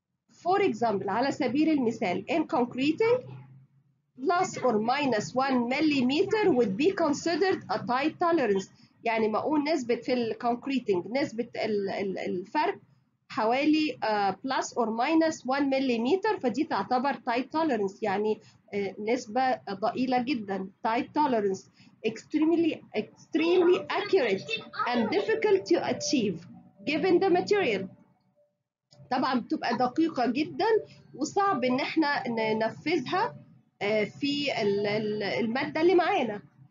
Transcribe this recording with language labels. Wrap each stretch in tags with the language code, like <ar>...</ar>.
<en>For example</en> <ar>على سبيل المثال</ar> <en>in concreting plus or minus 1 millimeter would be considered a tight tolerance.</en> <ar>يعني ما اقول نسبة في الكونكريتنج نسبة الفرق حوالي</ar> <en>plus or minus 1 millimeter</en> <ar>فدي تعتبر</ar> <en>tight tolerance</en> <ar>يعني نسبة ضئيلة جدا tight tolerance.</ar> <en>Extremely accurate and difficult to achieve given the material.</en> <ar>طبعا بتبقى دقيقة جدا وصعب ان احنا ننفذها في المادة اللي معانا.</ar>